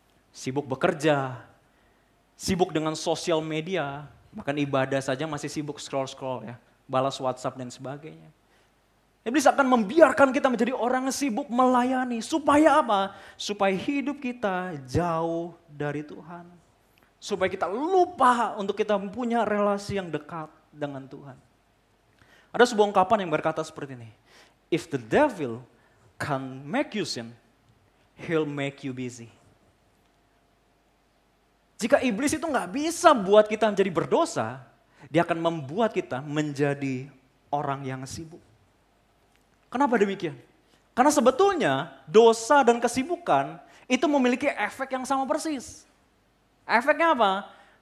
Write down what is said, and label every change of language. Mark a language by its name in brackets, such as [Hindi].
[Indonesian] Sibuk bekerja, sibuk dengan sosial media, bahkan ibadah saja masih sibuk scroll-scroll ya, balas WhatsApp dan sebagainya. Iblis akan membiarkan kita menjadi orang yang sibuk melayani. Supaya apa? Supaya hidup kita jauh dari Tuhan. Supaya kita lupa untuk kita punya relasi yang dekat dengan Tuhan. Ada sebuah ungkapan yang berkata seperti ini. [English] If the devil can make you sin, he'll make you busy. [Indonesian] Jika iblis itu gak bisa buat kita menjadi berdosa, dia akan membuat kita menjadi orang yang sibuk. Kenapa demikian? Karena sebetulnya dosa dan kesibukan itu memiliki efek yang sama persis. Efeknya apa?